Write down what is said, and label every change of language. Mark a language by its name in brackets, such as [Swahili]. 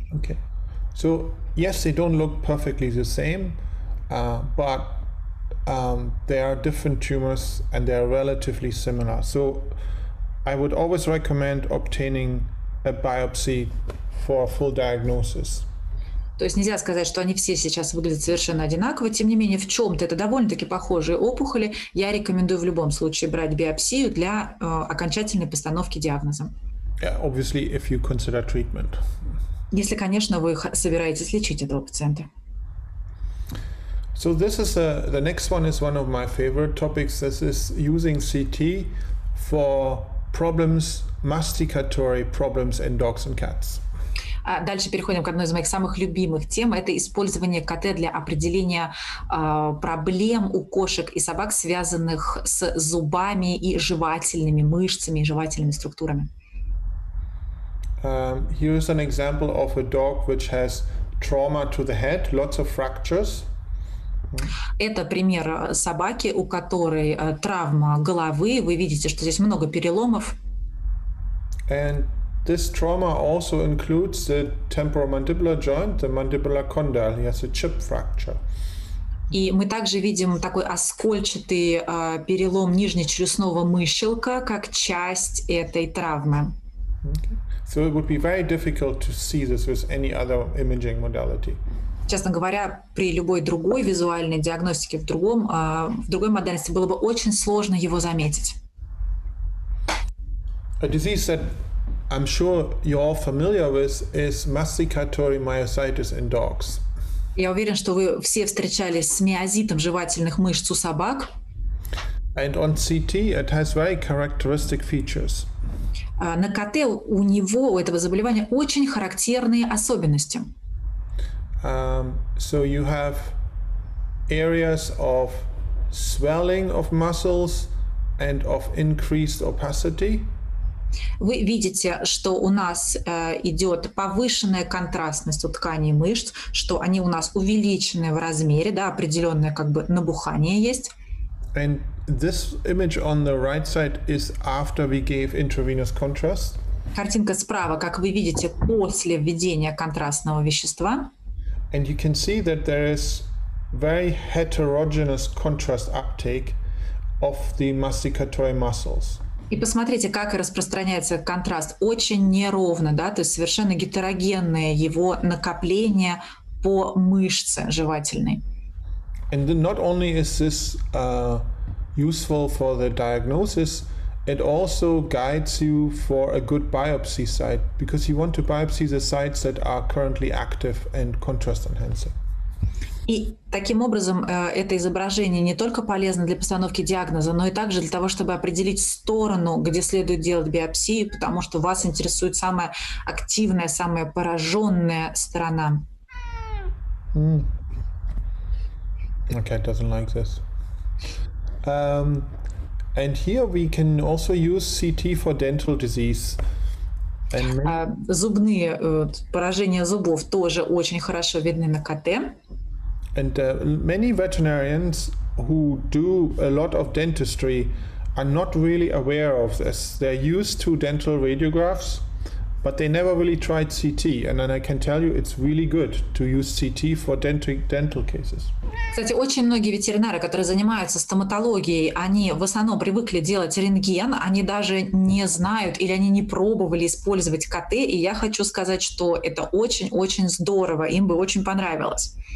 [English] Okay. So, yes, they don't look perfectly the same. But there are different tumors and they are relatively similar. So I would always recommend obtaining a biopsy for a full diagnosis. [Russian] То есть нельзя сказать, что они все сейчас выглядят совершенно одинаково. Тем не менее, в чем-то это довольно-таки похожие опухоли. Я рекомендую в любом случае брать биопсию для окончательной постановки диагноза. [English] Obviously, if you consider treatment. [Russian] Если, конечно, вы собираетесь лечить этого пациента. [English] So this is the next one is one of my favorite topics. This is using CT for problems, masticatory problems in dogs and cats. [Russian] Дальше переходим к одной из моих самых любимых тем. Это использование КТ для определения проблем у кошек и собак, связанных с зубами и жевательными мышцами, жевательными структурами. [English] Here's an example of a dog which has trauma to the head, lots of fractures. [Russian] Это пример собаки, у которой травма головы. Вы видите, что здесь много переломов. [English] And this trauma also includes the temporomandibular joint, the mandibular condyle. He has a chip fracture. [Russian] И мы также видим такой оскольчатый перелом нижнечелюстного мыщелка как часть этой травмы. [English] Okay. So it would be very difficult to see this with any other imaging modality. [Russian] Честно говоря, при любой другой визуальной диагностике в другой модальности было бы очень сложно его заметить. [English] A disease that I'm sure you're all familiar with is masticatory myositis in dogs. [Russian] Я уверен, что вы все встречались с миозитом жевательных мышц у собак. [English] And on CT it has very characteristic features. [Russian] На КТ у него, у этого заболевания, очень характерные особенности. [English] So you have areas of swelling of muscles and of increased opacity. [Russian] Вы видите, что у нас идет повышенная контрастность у тканей мышц, что они у нас увеличены в размере, да, определенное как бы набухание есть. [English] And this image on the right side is after we gave intravenous contrast. [Russian] Картинка справа, как вы видите, после введения контрастного вещества. [English] And you can see that there is very heterogeneous contrast uptake of the masticatory muscles. [Russian] И посмотрите, как распространяется контраст. Очень неровно, да, то есть совершенно гетерогенное его накопление по мышце жевательной. [English] And then not only is this useful for the diagnosis, it also guides you for a good biopsy site, because you want to biopsy the sites that are currently active and contrast enhancing. [Russian] И таким образом это изображение не только полезно для постановки диагноза, но и также для того, чтобы определить сторону, где следует делать биопсию, потому что вас интересует самая активная, самая пораженная сторона. [English] Mm. Okay, it doesn't like this. And here we can also use CT for dental disease. And [Russian] зубные поражения зубов тоже очень хорошо видны на КТ. [English] And many veterinarians who do a lot of dentistry are not really aware of this. They're used to dental radiographs, but they never really tried CT. And then I can tell you, it's really good to use CT for dental cases. [Russian] Кстати, очень многие ветеринары, которые занимаются стоматологией, они в основном привыкли делать рентген, они даже не знают или они не пробовали использовать КТ, и я хочу сказать, что это очень-очень здорово, им бы очень понравилось.